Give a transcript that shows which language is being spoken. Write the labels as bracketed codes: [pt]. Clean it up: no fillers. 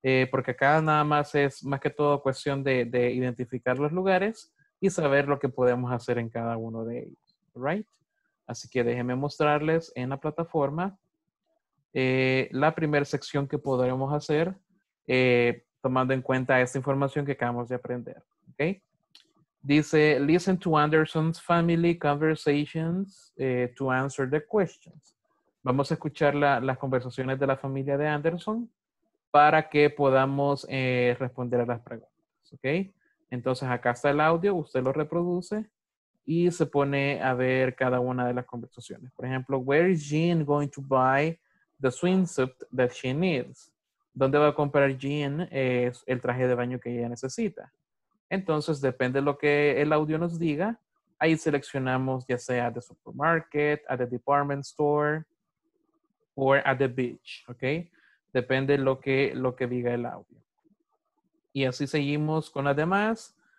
[es] Porque acá nada más es más que todo cuestión de identificar los lugares y saber lo que podemos hacer en cada uno de ellos. [en] Right. [es] Así que déjenme mostrarles en la plataforma la primera sección que podremos hacer. Tomando en cuenta esta información que acabamos de aprender, okay? Dice, [en] listen to Anderson's family conversations to answer the questions. [es] Vamos a escuchar las conversaciones de la familia de Anderson para que podamos responder a las preguntas, okay? Entonces, acá está el audio, usted lo reproduce y se pone a ver cada una de las conversaciones. Por ejemplo, [en] where is Jean going to buy the swimsuit that she needs? [es] ¿Dónde va a comprar Jean el traje de baño que ella necesita? Entonces, depende de lo que el audio nos diga, ahí seleccionamos ya sea [en] the supermarket, at the department store, or at the beach, [es] ¿ok? Depende de lo que diga el audio. Y así seguimos con las demás.